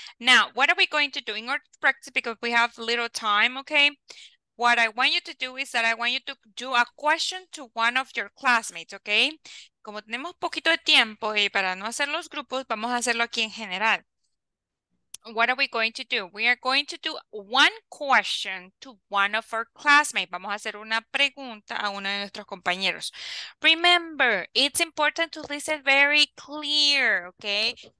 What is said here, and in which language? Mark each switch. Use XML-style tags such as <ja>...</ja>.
<en>Now, what are we going to do in order to practice because we have little time, okay? What I want you to do is that I want you to do a question to one of your classmates, okay?</en> <es>Como tenemos poquito de tiempo y para no hacer los grupos, vamos a hacerlo aquí en general.</es> <en>What are we going to do? We are going to do one question to one of our classmates.</en> <es>Vamos a hacer una pregunta a uno de nuestros compañeros.</es> <en>Remember, it's important to listen very clear, okay?</en>